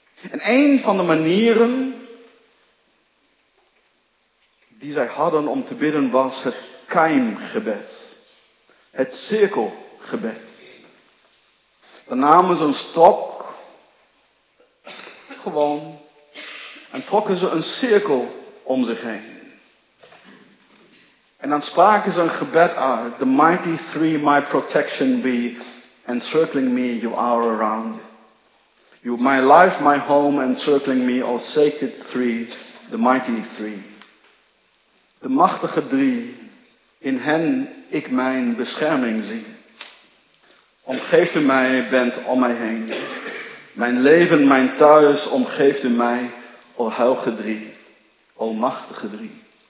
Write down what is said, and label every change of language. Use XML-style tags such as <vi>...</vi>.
<nl>En een van de manieren die zij hadden om te bidden was het keimgebed. Het cirkelgebed. Dan namen ze een stok, gewoon, en trokken ze een cirkel om zich heen. En dan spraken ze een gebed uit.</nl> <en>The mighty three, my protection be, encircling me, you are around. You, my life, my home, encircling me, all sacred three, the mighty three.</en> <nl>De machtige drie, in hen ik mijn bescherming zie. Omgeeft u mij, bent om mij heen. Mijn leven, mijn thuis, omgeeft u mij, o heilige drie, o machtige drie.</nl>